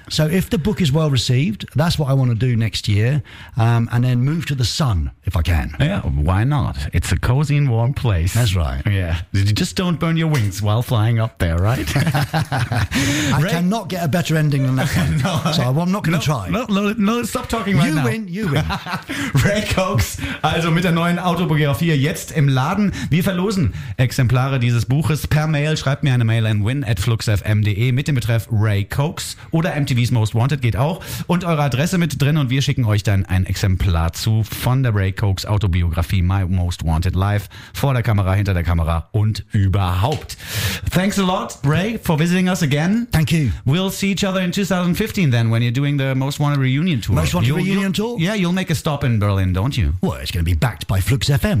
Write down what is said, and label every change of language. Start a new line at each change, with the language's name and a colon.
English: So if the book is well received, that's what I want to do next year. And then move to the sun if I can. Yeah, why not? It's a cozy and warm place. That's right. Yeah. You just don't burn your wings while flying up there, right? I cannot get a better ending than that one. No, so I'm not going to try. No, stop talking right you now. You win.
German: Ray Cokes, also mit der neuen Autobiografie jetzt im Laden. Wir verlosen Exemplare dieses Buches per Mail. Schreibt mir eine Mail an win@fluxfm.de mit dem Betreff Ray Cokes oder MTV's Most Wanted geht auch und eure Adresse mit drin und wir schicken euch dann ein Exemplar zu von der Ray Cokes Autobiografie My Most Wanted Live vor der Kamera, hinter der Kamera und überhaupt.
English: Thanks a lot, Ray, for visiting us again. Thank you. We'll see each other in 2015 then when you're doing the Most Wanted Reunion Tour. Most Wanted Reunion Tour? Yeah, you'll make a stop in Berlin, don't you? Well, it's going to be backed by Flux FM.